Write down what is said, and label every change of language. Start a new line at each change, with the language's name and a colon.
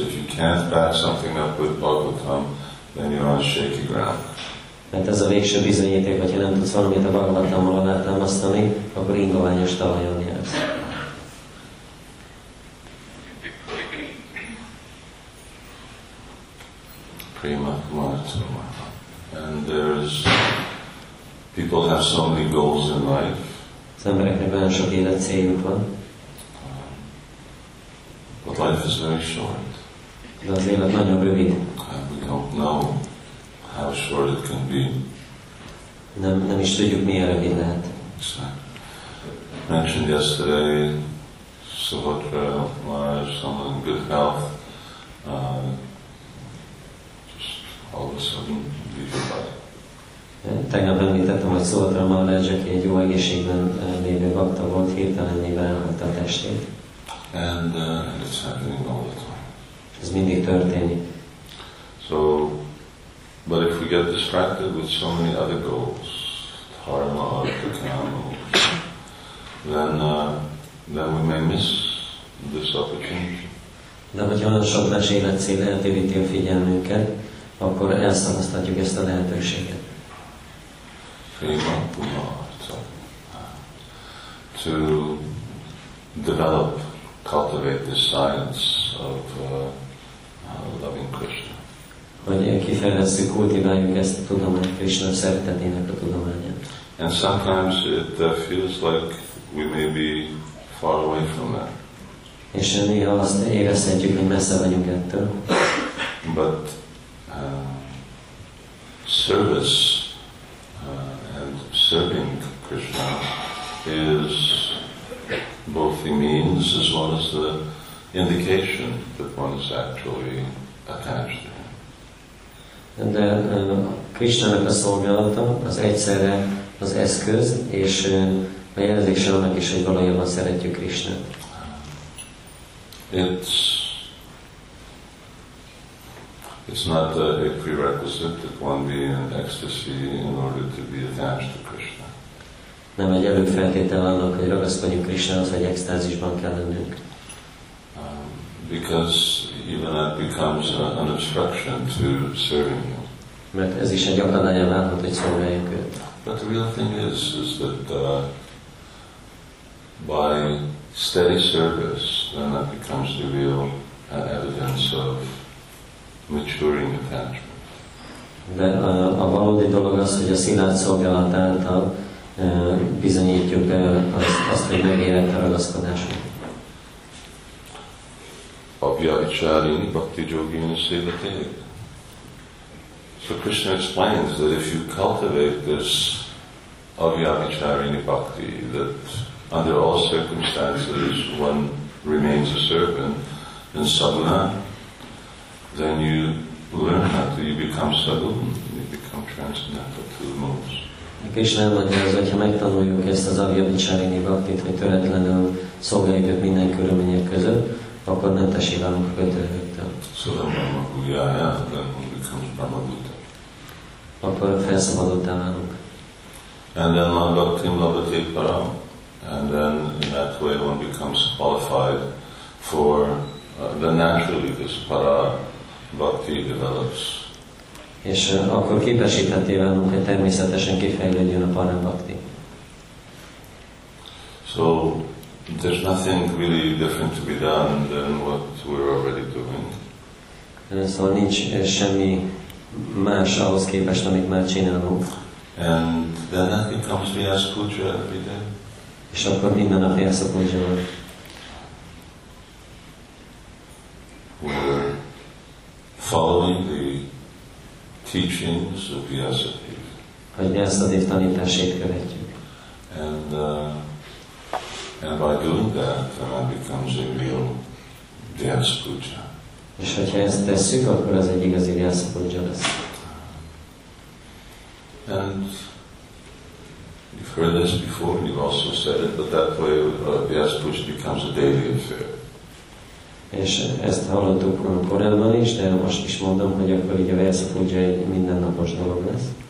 English: If you can't back something up with Bhagavatam, then you're on shaky ground.
Hungarian: Mert ez a végső bizonyíték, hogyha nem tudsz valamit a Bhagavatamról alátámasztani, akkor ingoványos talajon jársz.
English: Prima Kumaratama. And there's... People have so many goals in life.
Hungarian: Az embereknek olyan sok élet céljuk van.
English: But life is very short.
Hungarian: De az élet nagyon rövid.
English: We don't know how short it can be.
Hungarian: Nem is tudjuk, milyen rövid lehet.
English: Mentioned yesterday, Subhadra Maharaj, someone in good health, just all of a sudden, leave your body.
Hungarian: Tegnap említettem, hogy Subhadra Maharaj, aki egy jó egészségben lévő bhakta volt, hirtelen elhagyta a testét.
English: And it's happening all the time.
Hungarian: Ez mindig történik.
English: So, but if we get distracted with so many other goals, dharma, dhamma, then we may miss this opportunity.
Hungarian: De hogyha olyan sok más életcél eltéríti a figyelmünket, akkor elszalasztatjuk ezt a lehetőséget.
English: Prima Pumartha. To develop, cultivate the science of loving Krishna.
Hungarian: Hogy kifejlesztjük, kultiváljuk ezt a tudományt, Krishna szeretetének a tudományát.
English: And sometimes it feels like we may be far away from that.
Hungarian: És néha azt érezhetjük, hogy messze vagyunk ettől.
English: But service and serving Krishna is both the means as well as the indication that one is actually attached.
Hungarian: De Krisztának a szolgálata az egyszerre az eszköz, és a jelzése annak is, hogy valójában szeretjük Krisztát.
English: It's It's not a prerequisite that one be in ecstasy in order to be attached to Krishna.
Hungarian: Nem egy előfeltétel annak, hogy ragaszkodjunk Krishnához, hogy extázisban kell lennünk.
English: Because even that becomes an obstruction to serving him.
Hungarian: Mert ez is egy akadálya lehet, hogy szolgáljuk őt.
English: But the real thing is that by steady service, then that becomes the real evidence of maturing attachment.
Hungarian: De a valódi dolog az, hogy a szilárd szolgálat által bizonyítjuk be azt, hogy megérett a ragaszkodásunk.
Sanskrit: Abhyavicharini bhakti jogini sevate.
English: So Krishna explains that if you cultivate this abhyavicharini bhakti, that under all circumstances one remains a servant in sadhana, then you learn how to, you become sadhu, you become transcendental to the most.
Hungarian: Krishna mondja, hogy ha megtanuljuk ezt az abhyavicharini bhaktit, hogy töretlenül szolgáljuk őt minden körülmények között, akkor nem tesi válunk a kötőhőktől. Szóval Brahma-gújjája, akkor
English: becomes
Hungarian: Brahma-gújja. Akkor felszabadultá válunk.
English: And then one
Sanskrit: bhaktim labhate param.
English: And then in that way one becomes qualified for the naturally this para bhakti develops.
Hungarian: És akkor képesítetté válunk, hogy természetesen kifejlődjön a para bhakti.
English: So there's nothing really different to be done than what we're already doing.
Hungarian: So nincs semmi más ahhoz képest, amit már csinálunk.
English: And then that becomes Vyas Puja every day.
Hungarian: És akkor minden nap Vyas Puja van.
English: We're following the teachings of Vyas Puja.
Hungarian: Hogy Vyas Puja tanítását követjük.
English: And by doing that, then I becomes a real Vyas Puja.
Hungarian: És hogyha ezt tesszük, akkor az egy igazi Vyas Puja lesz.
English: And you've heard this before, you've also said it, but that way Vyas Puja becomes a daily affair.
Hungarian: És ezt hallottuk korábban is, de most is mondom, hogy akkor így a Vyas Puja egy mindennapos dolog lesz.